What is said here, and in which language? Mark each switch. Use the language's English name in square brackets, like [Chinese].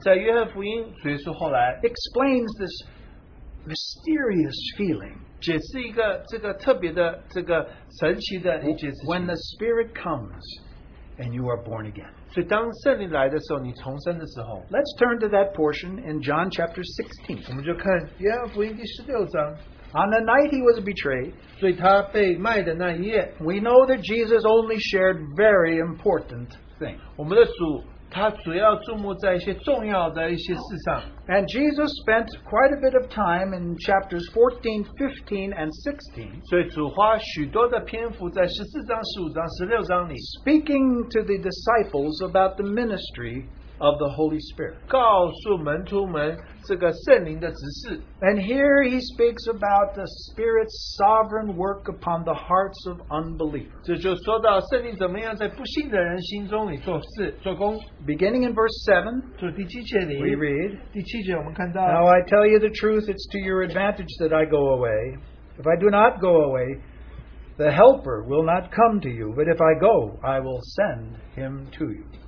[Chinese] 在约翰福音, 所以是后来, [English] explains this mysterious feeling. [Chinese] 解释一个这个特别的这个神奇的一件事情, [English] when the Spirit comes and you are born again. [Chinese] 所以当圣灵来的时候，你重生的时候, [English] let's turn to that portion in John chapter 16. [Chinese] 我们就看约翰福音第16章。 [English] On the night he was betrayed, [Chinese] 所以他被卖的那一夜, [English] we know that Jesus only shared very important things. [Chinese] 我们的主, 他主要注目在一些重要的一些事上。 [English] And Jesus spent quite a bit of time in chapters 14, 15, and 16. [Chinese] 所以主花许多的篇幅在14章、15章、16章里, [English] speaking to the disciples about the ministry of the Holy Spirit. [Chinese] 告诉门徒们这个圣灵的指示。 [English] And here he speaks about the Spirit's sovereign work upon the hearts of unbelievers. [Chinese] 这就说到圣灵怎么样在不信的人心中里做事做工。 [English] Beginning in verse 7, [Chinese] 就第七节里, [English] we read, [Chinese] 第七节我们看到, [English] now I tell you the truth, it's to your advantage that I go away. If I do not go away, the Helper will not come to you, but if I go, I will send him to you.